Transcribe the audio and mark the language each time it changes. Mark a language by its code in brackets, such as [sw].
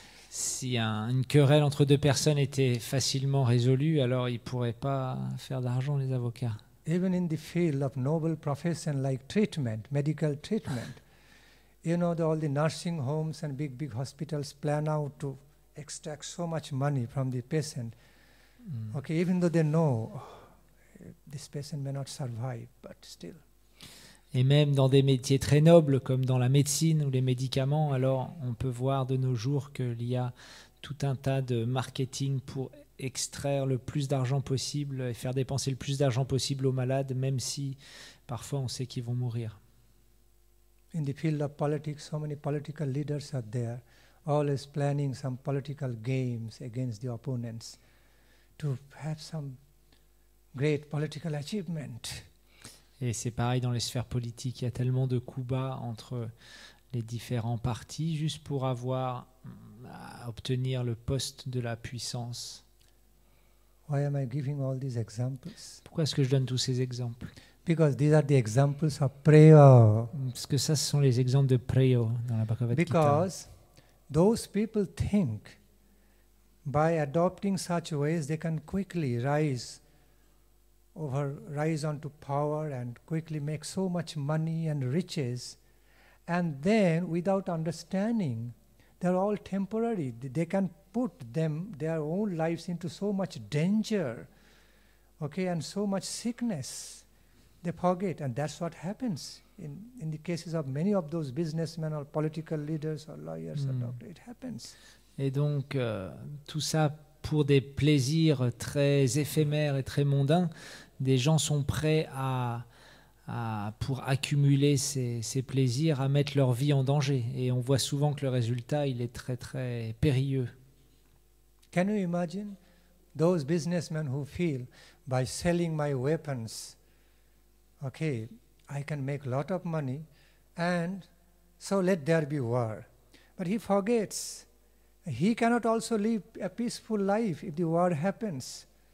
[fr] Si une querelle entre deux personnes était facilement résolue, alors ils pourraient pas faire d'argent, les avocats. [en] Even in the field of noble profession like treatment, medical treatment, you know, all the nursing homes and big hospitals plan out to extract so much money from the patient. Mm. Okay, even though they know this patient may not survive, but still. [fr] Et même dans des métiers très nobles, comme dans la médecine ou les médicaments, alors on peut voir de nos jours qu'il y a tout un tas de marketing pour extraire le plus d'argent possible et faire dépenser le plus d'argent possible aux malades, même si parfois on sait qu'ils vont mourir. [en] In the field of politics, so many political leaders are there, always planning some political games against the opponents to have some great political achievement. [fr] Et c'est pareil dans les sphères politiques. Il y a tellement de coups bas entre les différents partis juste pour avoir à obtenir le poste de la puissance. [en] Why am I giving all these examples? [fr] Pourquoi est-ce que je donne tous ces exemples? [en] Because these are the examples of prayer. [fr] Parce que ça, ce sont les exemples de prayer dans la Bhagavad Gita. [en] Because those people think by adopting such ways they can quickly rise onto power and quickly make so much money and riches, and then without understanding they're all temporary, they can put their own lives into so much danger, okay, and so much sickness, they forget. And that's what happens in the cases of many of those businessmen or political leaders or lawyers or doctors. It happens. [fr] Et donc tout ça pour des plaisirs très éphémères et très mondains. Des gens sont prêts à pour accumuler ces plaisirs, à mettre leur vie en danger. Et on voit souvent que le résultat, il est très très périlleux. [en] Can you imagine those businessmen who feel by selling my weapons, okay, I can make a lot of money, and so let there be war. But he forgets, he cannot also live a peaceful life if the war happens.